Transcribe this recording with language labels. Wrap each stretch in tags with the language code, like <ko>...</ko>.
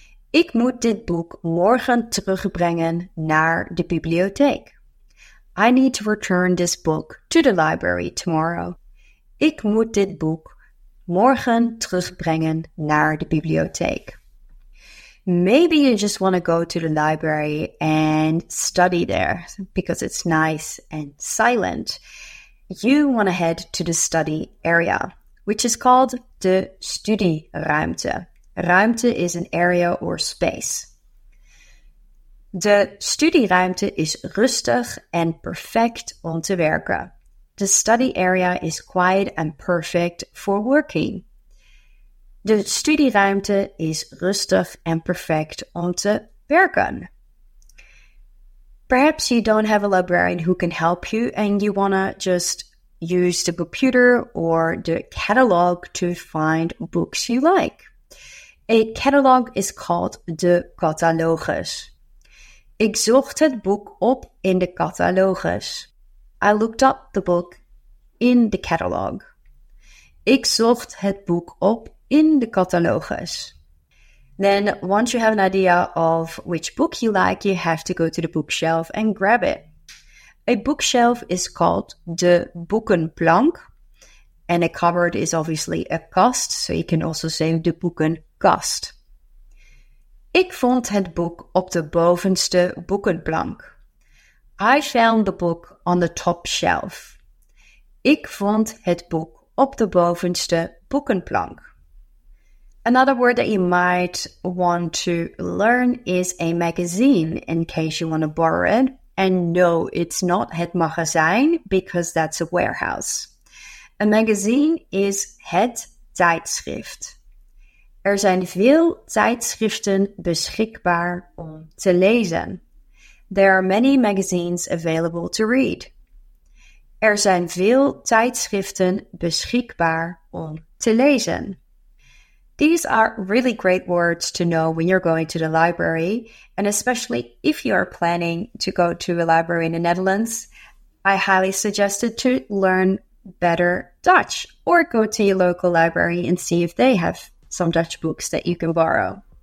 <nl>Ik moet dit boek morgen terugbrengen naar de bibliotheek.</nl> <en>I need to return this book to the library tomorrow.</en> <nl>Ik moet dit boek morgen terugbrengen naar de bibliotheek.</nl> <en>Maybe you just want to go to the library and study there because it's nice and silent. You want to head to the study area, which is called the Studieruimte.</en> <nl>Ruimte</nl> <en>is an area or space.</en> <nl>De studieruimte is rustig and perfect om te werken.</nl> <en>The study area is quiet and perfect for working.</en> <nl>De studieruimte is rustig and perfect om te werken.</nl> <en>Perhaps you don't have a librarian who can help you and you want to just use the computer or the catalog to find books you like. A catalog is called de catalogus.</en> <nl>Ik zocht het boek op in de catalogus.</nl> <en>I looked up the book in the catalog.</en> <nl>Ik zocht het boek op in de catalogus.</nl> <en>Then, once you have an idea of which book you like, you have to go to the bookshelf and grab it. A bookshelf is called de boekenplank. And a cupboard is obviously a kast, so you can also say de boekenkast.</en> <nl>Ik vond het boek op de bovenste boekenplank.</nl> <en>I found the book on the top shelf.</en> <nl>Ik vond het boek op de bovenste boekenplank.</nl> <en>Another word that you might want to learn is a magazine, in case you want to borrow it. And no, it's not het magazijn, because that's a warehouse. A magazine is het tijdschrift.</en> <nl>Er zijn veel tijdschriften beschikbaar om te lezen.</nl> <en>There are many magazines available to read.</en> <nl>Er zijn veel tijdschriften beschikbaar om te lezen.</nl> <en>These are really great words to know when you're going to the library, and especially if you are planning to go to a library in the Netherlands, I highly suggest it to learn better Dutch or go to your local library and see if they have some Dutch books that you can borrow.</en>